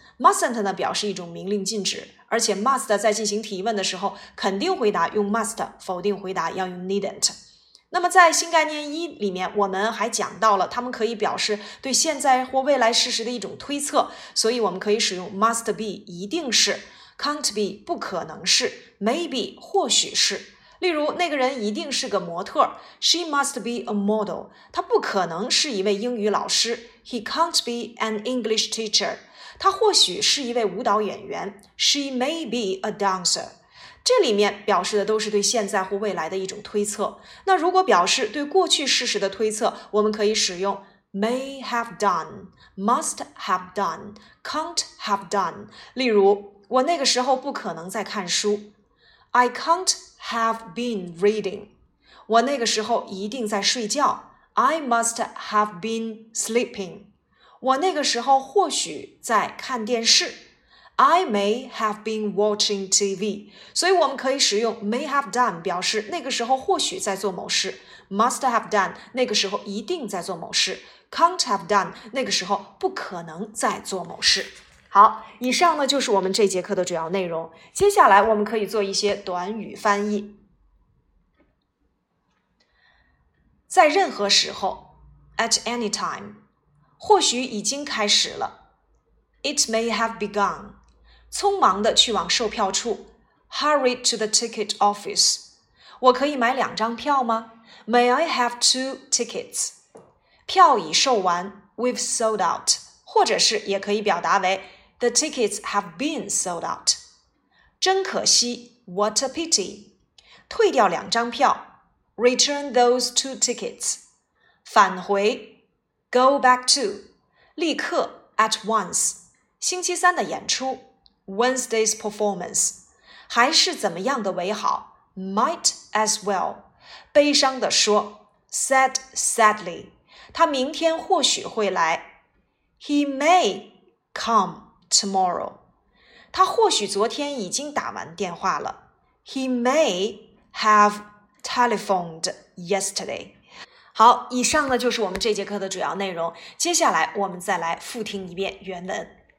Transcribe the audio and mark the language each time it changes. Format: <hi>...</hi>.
<zh>mustn't 呢，表示一种明令禁止。而且 must 在进行提问的时候，肯定回答用 must， 否定回答要用 needn't。那么在新概念一里面，我们还讲到了它们可以表示对现在或未来事实的一种推测，所以我们可以使用 must be 一定是， can't be 不可能是， maybe 或许是。例如那个人一定是个模特，</zh> <en>she must be a model，</en> <zh>他不可能是一位英语老师，</zh> <en>he can't be an English teacher，</en> <zh>他或许是一位舞蹈演员，</zh> <en>she may be a dancer。</en> <zh>这里面表示的都是对现在或未来的一种推测。那如果表示对过去事实的推测，我们可以使用 may have done, must have done, can't have done。例如，我那个时候不可能在看书。</zh> <en>I can't have been reading。</en> <zh>我那个时候一定在睡觉。</zh> <en>I must have been sleeping。</en> <zh>我那个时候或许在看电视。</zh> <en>I may have been watching TV，</en> <zh>所以我们可以使用 may have done 表示那个时候或许在做某事， must have done 那个时候一定在做某事， can't have done 那个时候不可能在做某事。好，以上呢就是我们这节课的主要内容，接下来我们可以做一些短语翻译。在任何时候</zh> <en>at any time，</en> <zh>或许已经开始了，</zh> <en>It may have begun.</en> <zh>匆忙地去往售票处。</zh> <en>Hurry to the ticket office.</en> <zh>我可以买两张票吗？</zh> <en>May I have two tickets?</en> <zh>票已售完。</zh> <en>We've sold out.</en> <zh>或者是也可以表达为</zh> <en>The tickets have been sold out.</en> <zh>真可惜。</zh> <en>What a pity.</en> <zh>退掉两张票。</zh> <en>Return those two tickets. 返回。Go back to. 立刻。At once.</en> <zh>星期三的演出。</zh> <en>Wednesday's performance.</en> <zh>还是怎么样的为好。Might as well. 悲伤地说。</zh> <en>Said sadly.</en> <zh>他明天或许会来。</zh> <en>He may come tomorrow.</en> <zh>他或许昨天已经打完电话了。</zh> <en>He may have telephoned yesterday.</en> <zh>好，以上呢就是我们这节课的主要内容。接下来我们再来复听一遍原文。</zh>